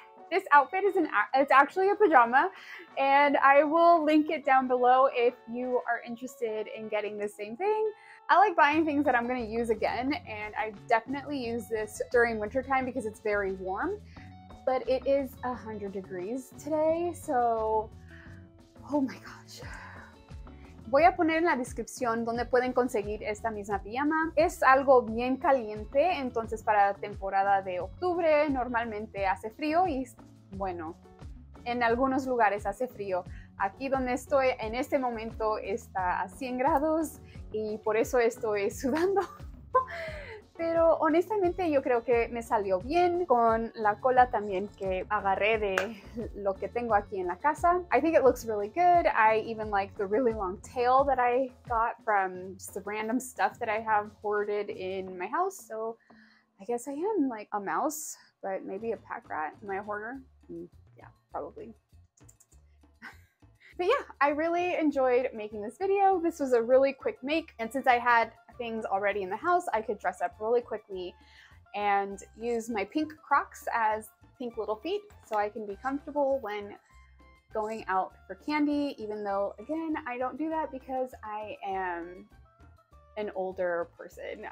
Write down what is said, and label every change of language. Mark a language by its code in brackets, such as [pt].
[en] This outfit is it's actually a pajama, and I will link it down below if you are interested in getting the same thing. I like buying things that I'm going to use again, and I definitely use this during winter time because it's very warm, but it is 100 degrees today, so oh my gosh. [es] Voy a poner en la descripción donde pueden conseguir esta misma pijama. Es algo bien caliente, entonces para la temporada de octubre normalmente hace frío y bueno, en algunos lugares hace frío. Aquí donde estoy en este momento está a 100 grados y por eso estoy sudando. Pero honestamente yo creo que me salió bien con la cola también que agarré de lo que tengo aquí en la casa. [en] I think it looks really good. I even like the really long tail that I got from just the random stuff that I have hoarded in my house. So I guess I am like a mouse, but maybe a pack rat. Am I a hoarder? Yeah, probably. But yeah, I really enjoyed making this video. This was a really quick make, and since I had things already in the house, I could dress up really quickly and use my pink Crocs as pink little feet so I can be comfortable when going out for candy, even though, again, I don't do that because I am an older person.